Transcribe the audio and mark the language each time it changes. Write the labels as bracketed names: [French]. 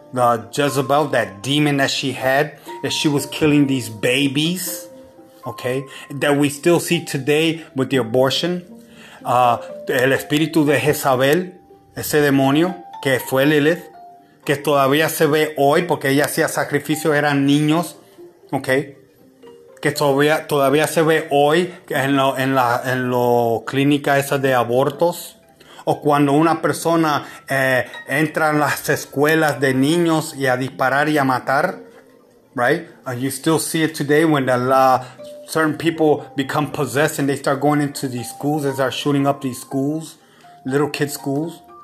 [English] Jezebel, that demon that she had, that she was killing these babies, okay, that we still see today with the abortion. [Spanish] El espíritu de Jezabel, ese demonio, que fue Lilith, que todavía se ve hoy porque ella hacía sacrificios, eran niños, okay, que todavía se ve hoy en la clínica esa de abortos. O cuando una persona entra en las escuelas de niños y a disparar y a matar, right? [English] You still see it today when certain people become possessed and they start going into these schools and start shooting up these schools, little kids' schools.